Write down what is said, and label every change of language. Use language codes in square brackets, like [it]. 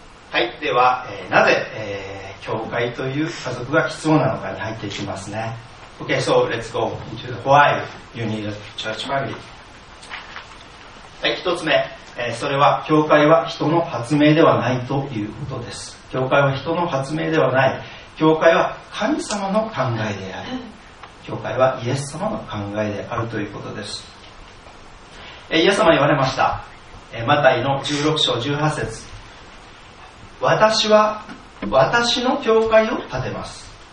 [ja] はい、では、なぜ、教会という家族が必要なのかに入っていきますね。 [en] OK, so let's go into the why you need a church family. [ja] はい、一つ目、それは教会は人の発明ではないということです。教会は人の発明ではない。教会は神様の考えである。教会はイエス様の考えであるということです。イエス様言われました、マタイの16章18節、私は私の教会を建てます。